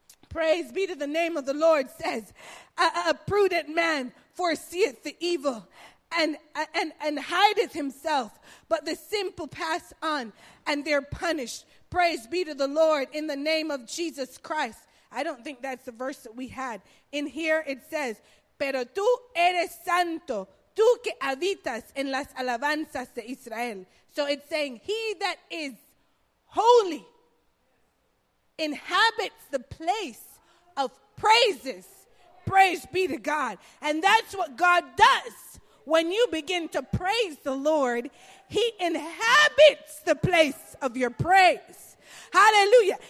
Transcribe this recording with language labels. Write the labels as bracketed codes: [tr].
[en] Praise be to the name of the Lord says, a prudent man foreseeth the evil and hideth himself. But the simple pass on and they're punished. Praise be to the Lord in the name of Jesus Christ. I don't think that's the verse that we had. In here it says, [es] pero tú eres santo, tú que habitas en las alabanzas de Israel. [en] So it's saying, he that is holy inhabits the place of praises. Praise be to God. And that's what God does. When you begin to praise the Lord, he inhabits the place of your praise. Hallelujah.